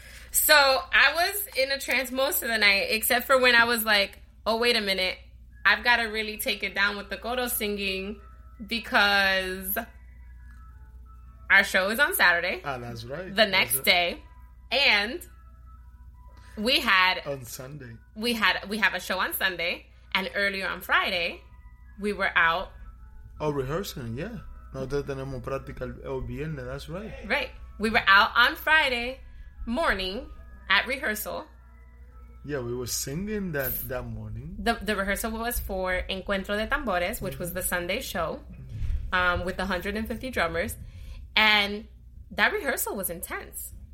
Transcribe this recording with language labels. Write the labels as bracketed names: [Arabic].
[English] so I was in a trance most of the night, except for when I was like, oh, wait a minute, I've got to really take it down with the coro singing, because our show is on Saturday. Ah, that's right. The next day. And we had... On Sunday. We have a show on Sunday. And earlier on Friday, we were out... Oh, rehearsing, yeah. [Spanish] Nosotros tenemos práctica el viernes, [English] that's right. Right. We were out on Friday morning at rehearsal. Yeah, we were singing that morning. The rehearsal was for Encuentro de Tambores, which was the Sunday show, with 150 drummers. And that rehearsal was intense.